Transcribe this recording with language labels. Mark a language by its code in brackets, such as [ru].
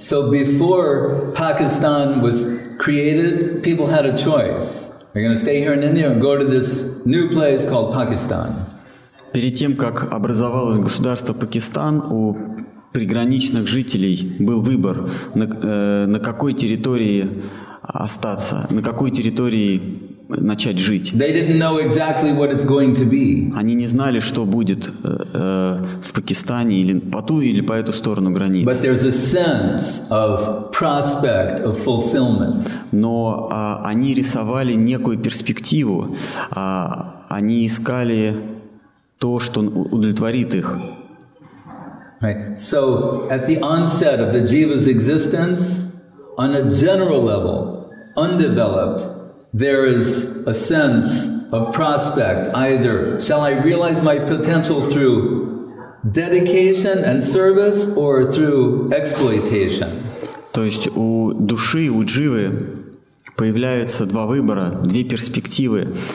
[en] So before Pakistan was created, people had a choice. Are you going to stay here in India or go to this new place called Pakistan? [ru] Перед тем, как образовалось государство Пакистан, у приграничных жителей был выбор, на какой территории остаться, на какой территории начать жить. [en] They didn't know exactly what it's going to be. [ru] Они не знали, что будет в Пакистане или по ту или по эту сторону границы. [en] But there's a sense of prospect of fulfillment. [ru] Но они рисовали некую перспективу. Они искали то, что удовлетворит их. [en] Right. So at the onset of the jiva's existence, on a general level, undeveloped, there is a sense of prospect, either shall I realize my potential through dedication and service or through exploitation. [ru] То есть у души, у дживы появляются два выбора, две перспективы.